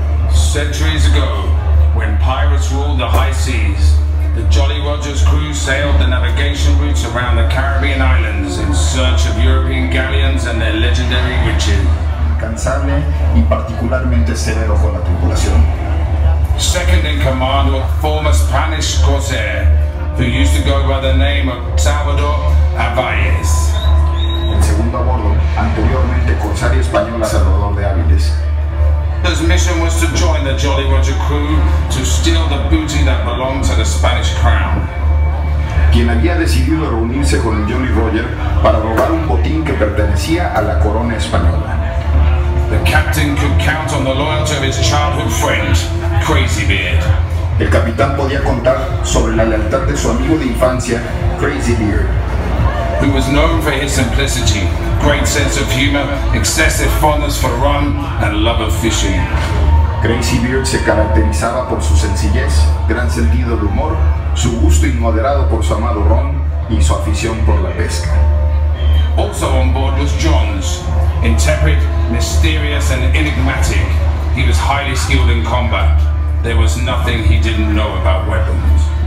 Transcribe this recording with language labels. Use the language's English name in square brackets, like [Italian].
[English] Centuries ago, when pirates ruled the high seas, the Jolly Roger's crew sailed the navigation routes around the Caribbean islands in search of European galleons and their legendary riches. [Spanish] Incansable y particularmente severo con la tripulación. [English] Second in command were former Spanish corsair, who used to go by the name of Salvador Avilés. [Spanish] El segundo a bordo, anteriormente corsario español Salvador de Avilés. [English] His mission was to join the Jolly Roger crew to steal the booty that belonged to the Spanish crown. [Spanish] Quien había decidido reunirse con el Jolly Roger para robar un botín que pertenecía a la corona española. [English] The captain could count on the loyalty of his childhood friend, Crazy Beard. [Spanish] El capitán podía contar sobre la lealtad de su amigo de infancia, Crazy Beard. [English] Who was known for his simplicity, great sense of humor, excessive fondness for rum, and love of fishing. [Spanish] Crazy Beard se caracterizaba por su sencillez, gran sentido de humor, su gusto inmoderado por su amado rum, y su afición por la pesca. [English] Also on board was Johns, intrepid, mysterious, and enigmatic. He was highly skilled in combat. There was nothing he didn't know about weapons.